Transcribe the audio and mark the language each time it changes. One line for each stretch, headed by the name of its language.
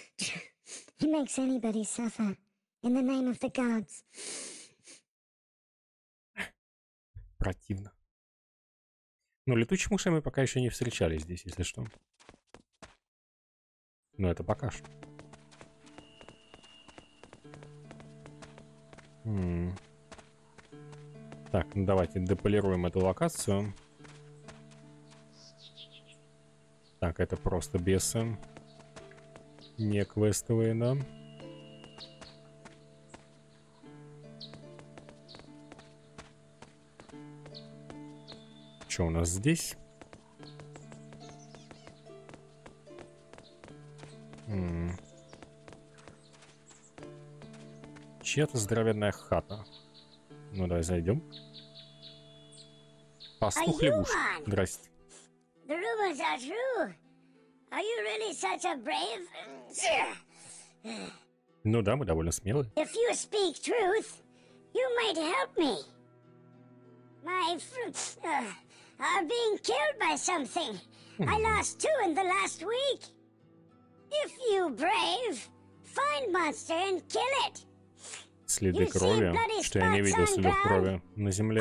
English: He makes anybody suffer in the name of the gods.
Russian: Противно. Но летучих мышей мы пока еще не встречали здесь, если что. Но это пока что. Так, ну давайте дополируем эту локацию. Так, это просто бесы. Не квестовые, да. Что у нас здесь? Чья-то здоровенная хата. Ну, давай зайдем. Пастух лягушек. Здрасте.
English: The rumors are true. Are you really such a brave?
Russian: Ну да, мы довольно смелые.
English: If you speak truth, you might help me. My fruits are being killed by something. I lost two in the last week. If you brave, find monster and kill it.
Russian: Следы крови, что я не видел следов крови на земле.